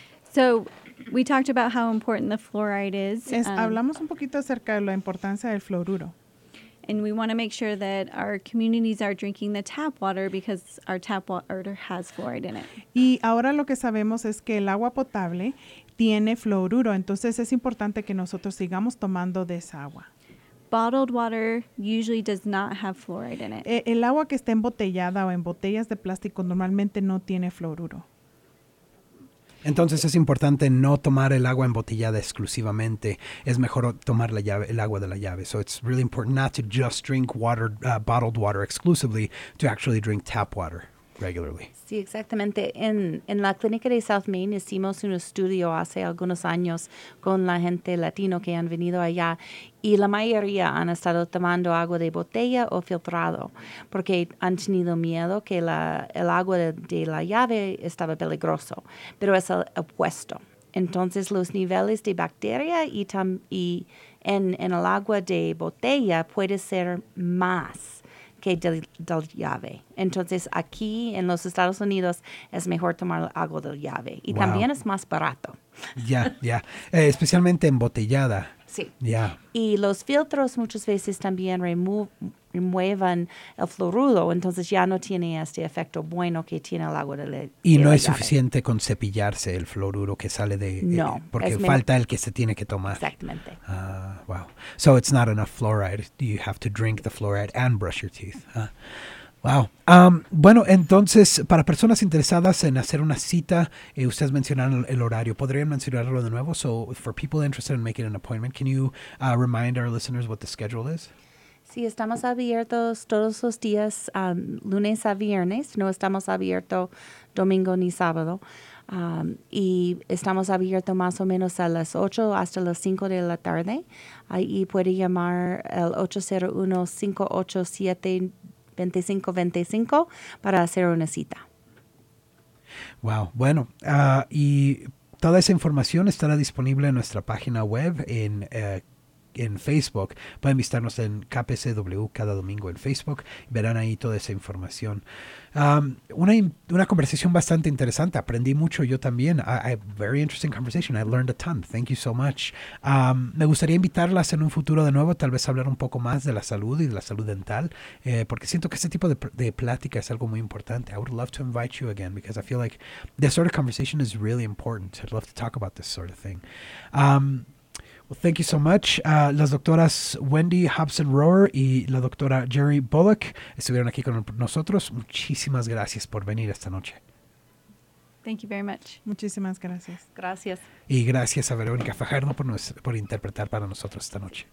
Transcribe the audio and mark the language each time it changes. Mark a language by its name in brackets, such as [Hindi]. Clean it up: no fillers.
[English] So we talked about how important the fluoride is. [Spanish] Hablamos un poquito acerca de la importancia del fluoruro. [English] And we want to make sure that our communities are drinking the tap water because our tap water has fluoride in it. [Spanish] Y ahora lo que sabemos es que el agua potable tiene fluoruro, entonces es importante que nosotros sigamos tomando de esa agua. [English] Bottled water usually does not have fluoride in it. [Spanish] El agua que está embotellada o en botellas de plástico normalmente no tiene fluoruro. Entonces es importante no tomar el agua embotellada exclusivamente. Es mejor tomar la llave, el agua de la llave. [English] So it's really important not to just drink water, bottled water exclusively, to actually drink tap water regularly. [Spanish] Sí, exactamente. En la clínica de South Main hicimos un estudio hace algunos años con la gente latino que han venido allá, y la mayoría han estado tomando agua de botella o filtrado porque han tenido miedo que el agua de la llave estaba peligroso, pero es el opuesto. Entonces los niveles de bacteria y en el agua de botella puede ser más que del llave. Entonces, aquí en los Estados Unidos es mejor tomar agua del llave. Y wow, también es más barato. Especialmente embotellada. Sí. [English] Yeah. [Spanish] Y los filtros muchas veces también remuevan el fluoruro, entonces ya no tiene este efecto bueno que tiene el agua del llave. Y no es suficiente con cepillarse el fluoruro que sale de... No. Porque falta el que se tiene que tomar. Exactamente. [English] Wow. So it's not enough fluoride. You have to drink the fluoride and brush your teeth. Wow. [Spanish] Bueno, entonces, para personas interesadas en hacer una cita, ustedes mencionaron el horario. ¿Podrían mencionarlo de nuevo? [English] So for people interested in making an appointment, can you remind our listeners what the schedule is? [Spanish] Sí, estamos abiertos todos los días, lunes a viernes. No estamos abiertos domingo ni sábado. Y estamos abiertos más o menos a las 8 hasta las 5 de la tarde. Ahí puede llamar al 801-587-2525 para hacer una cita. [English] Wow. [Spanish] Bueno, y toda esa información estará disponible en nuestra página web en Facebook. Pueden visitarnos en KPCW cada domingo en Facebook. Verán ahí toda esa información. Una conversación bastante interesante. Aprendí mucho yo también. [English] Very interesting conversation. I learned a ton. Thank you so much. [Spanish] Me gustaría invitarlas en un futuro de nuevo, tal vez hablar un poco más de la salud y de la salud dental, porque siento que este tipo de plática es algo muy importante. [English] I would love to invite you again because I feel like this sort of conversation is really important. I'd love to talk about this sort of thing. Well, thank you so much. [Spanish] Las doctoras Wendy Hobson-Rohrer y la doctora Jerry Bullock estuvieron aquí con nosotros. Muchísimas gracias por venir esta noche. [English] Thank you very much. [Spanish] Muchísimas gracias. Gracias. Y gracias a Verónica Fajardo por interpretar para nosotros esta noche.